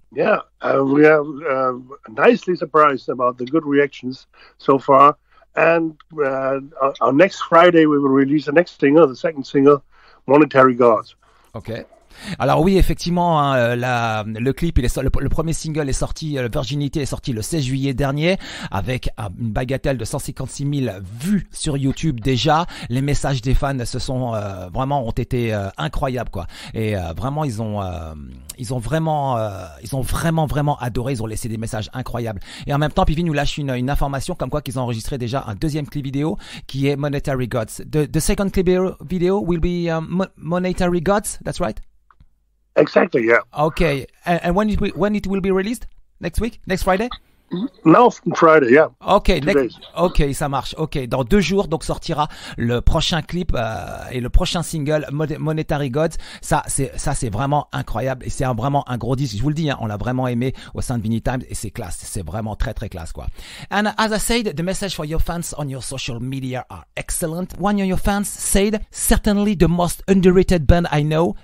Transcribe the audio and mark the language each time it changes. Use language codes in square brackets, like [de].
[en] Yeah, we are nicely surprised about the good reactions so far. And on next Friday, we will release the next single, the second single, Monetary Gods. Okay. [fr] Alors oui, effectivement, hein, le clip, le premier single est sorti, Virginity est sorti le 16 juillet dernier, avec une bagatelle de 156 000 vues sur YouTube déjà. Les messages des fans se sont vraiment ont été incroyables, quoi. Et vraiment, ils ont vraiment adoré. Ils ont laissé des messages incroyables. Et en même temps, Peavy nous lâche une information comme quoi qu'ils ont enregistré déjà un deuxième clip vidéo qui est Monetary Gods. [en] The second clip video will be Monetary Gods. That's right. Exactly. Yeah. Okay. And when it will be released? Next week? Next Friday? No, Friday. Yeah. [fr] Okay. Okay, ça marche. Okay. Dans deux jours, donc sortira le prochain clip et le prochain single Monetary Gods. Ça c'est vraiment incroyable et c'est vraiment un gros disque. Je vous le dis, hein, on l'a vraiment aimé au sein de Vinylestimes et c'est classe. C'est vraiment très très classe, quoi. [en] And as I said, the message for your fans on your social media are excellent. One of your fans said, certainly the most underrated band I know.